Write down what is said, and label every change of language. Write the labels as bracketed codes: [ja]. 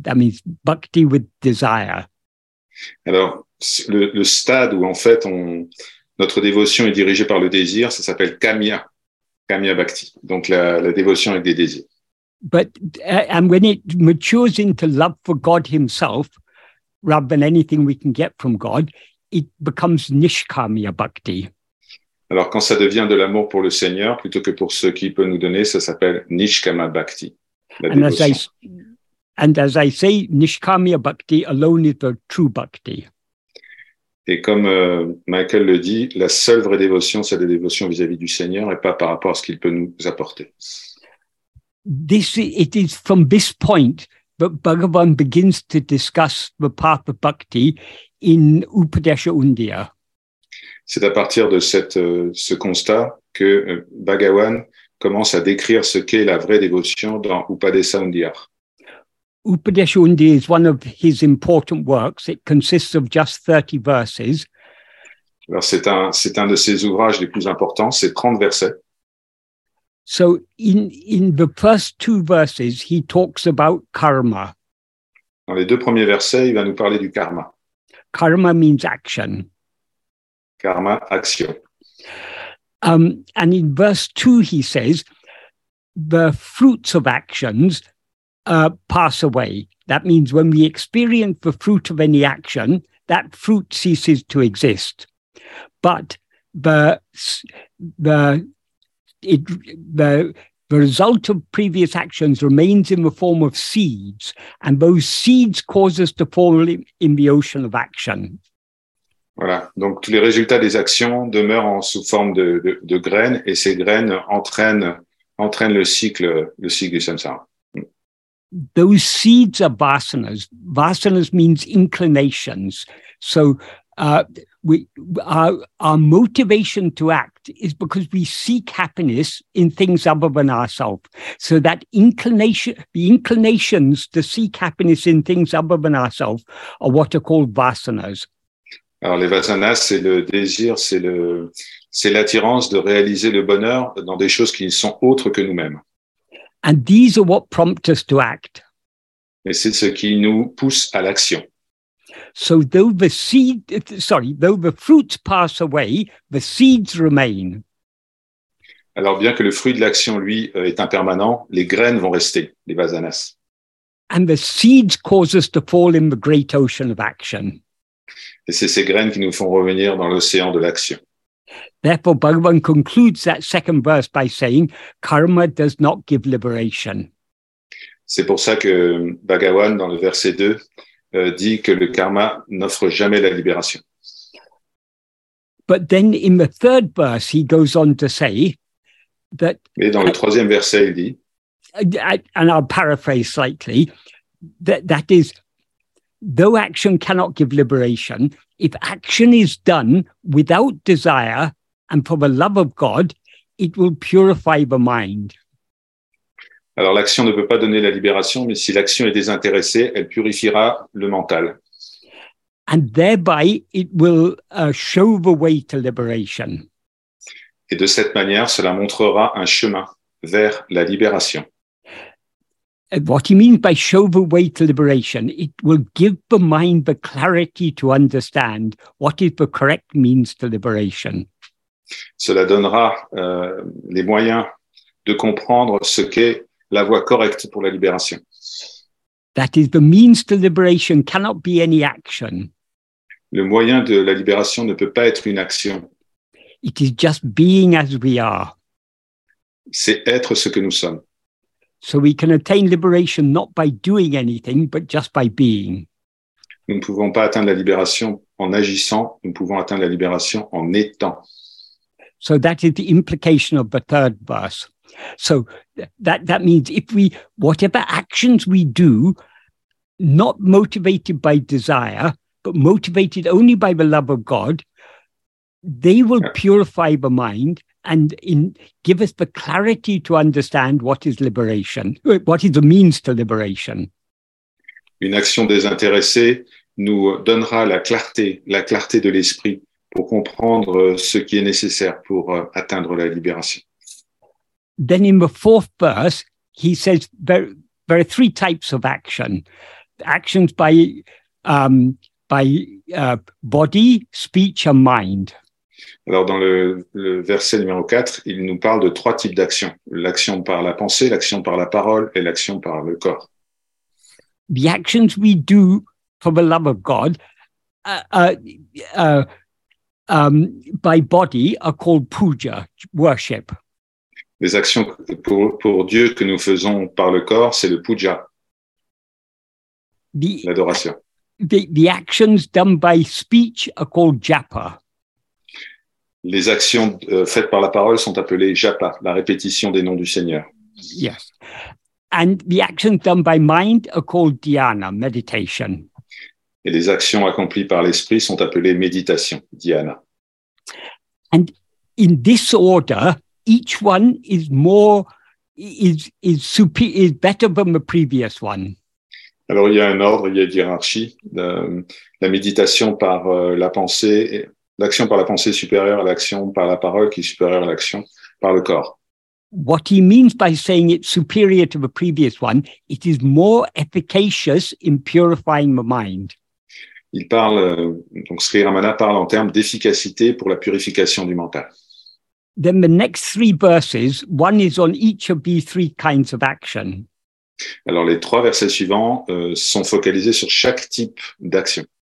[en] That means bhakti with desire. [fr] Alors, le stade où, en fait, notre dévotion est dirigée par le désir, ça s'appelle Kamya Bhakti, donc la dévotion avec des désirs. [en] And when it matures into love for God himself, rather than anything we can get from God, it becomes Nishkamya Bhakti. [fr] Alors, quand ça devient de l'amour pour le Seigneur, plutôt que pour ce qu'il peut nous donner, ça s'appelle Nishkama Bhakti, la dévotion. [en] And as I say, Nishkamya Bhakti alone is the true bhakti. [fr] Et comme Michael le dit, la seule vraie dévotion, c'est la dévotion vis-à-vis du Seigneur et pas par rapport à ce qu'il peut nous apporter. [en] It is from this point that Bhagavan begins to discuss the path of bhakti in Upadesha Undia. [fr] C'est à partir de ce constat que Bhagavan commence à décrire ce qu'est la vraie dévotion dans Upadesha Undia. [en] Upadesha Undia is one of his important works. It consists of just 30 verses. [fr] Alors c'est un de ses ouvrages les plus importants, c'est 30 versets. [en] So in the first two verses, he talks about karma. [fr] Dans les deux premiers versets, il va nous parler du karma. [en] Karma means action. [fr] Karma, action. [en] And in verse 2, he says, the fruits of actions pass away. That means when we experience the fruit of any action, that fruit ceases to exist. But the result of previous actions remains in the form of seeds, and those seeds cause us to fall in the ocean of action. [fr] Voilà, donc tous les résultats des actions demeurent en sous forme de graines, et ces graines entraînent le cycle du samsara. [en] Those seeds are vasanas. Vasanas means inclinations. So our motivation to act is because we seek happiness in things other than ourselves. So that inclination, the inclinations to seek happiness in things other than ourselves, are what are called vasanas. [fr] Alors les vasanas, c'est le désir, c'est l'attirance de réaliser le bonheur dans des choses qui sont autres que nous-mêmes. [en] And these are what prompt us to act. [fr] Et c'est ce qui nous pousse à l'action. [en] So though the fruits pass away, the seeds remain. [fr] Alors bien que le fruit de l'action, lui, est impermanent, les graines vont rester, les vasanas. [en] And the seeds cause us to fall in the great ocean of action. [fr] Et c'est ces graines qui nous font revenir dans l'océan de l'action. [en] Therefore, Bhagavan concludes that second verse by saying, karma does not give liberation. [fr] C'est pour ça que Bhagavan, dans le verset 2, dit que le karma n'offre jamais la libération. [en] But then in the third verse, he goes on to say that... [fr] Et dans le troisième verset, il dit... [en] And I'll paraphrase slightly, that is... Though action cannot give liberation, if action is done without desire and for the love of God, it will purify the mind. [fr] Alors l'action ne peut pas donner la libération, mais si l'action est désintéressée, elle purifiera le mental. [en] And thereby it will show the way to liberation. [fr] Et de cette manière, cela montrera un chemin vers la libération. [en] What he means by show the way to liberation, it will give the mind the clarity to understand what is the correct means to liberation. [fr] Cela donnera les moyens de comprendre ce qu'est la voie correcte pour la libération. [en] That is, the means to liberation cannot be any action. [fr] Le moyen de la libération ne peut pas être une action. [en] It is just being as we are. [fr] C'est être ce que nous sommes. [en] So we can attain liberation not by doing anything, but just by being. [fr] Nous ne pouvons pas atteindre la libération en agissant, nous pouvons atteindre la libération en étant. [en] So that is the implication of the third verse. So that means if we, whatever actions we do, not motivated by desire, but motivated only by the love of God, they will purify the mind. And in give us the clarity to understand what is liberation, what is the means to liberation. [fr] Une action désintéressée nous donnera la clarté de l'esprit pour comprendre ce qui est nécessaire pour atteindre la libération. [en] Then in the fourth verse, he says there are three types of action. Actions by body, speech and mind. [fr] Alors, dans le verset numéro 4, il nous parle de trois types d'actions. L'action par la pensée, l'action par la parole et l'action par le corps. [en] The actions we do for the love of God by body are called puja, worship. [fr] Les actions pour Dieu que nous faisons par le corps, c'est le puja, l'adoration. [en] The actions done by speech are called japa. [fr] Les actions faites par la parole sont appelées japa, la répétition des noms du Seigneur. [en] Yes. And the actions done by mind are called dhyana, meditation. [fr] Et les actions accomplies par l'esprit sont appelées méditation, dhyana. [en] And in this order, each one is more is super is better than the previous one. [fr] Alors il y a un ordre, il y a une hiérarchie. La méditation par la pensée. L'action par la pensée supérieure à l'action par la parole qui est supérieure à l'action par le corps. [en] what he means by saying it's superior to the previous one, it is more efficacious in purifying the mind. [fr] Il parle, donc Sri Ramana parle en termes d'efficacité pour la purification du mental. [en] Then the next three verses, one is on each of these three kinds of action. [fr] Alors les trois versets suivants sont focalisés sur chaque type d'action.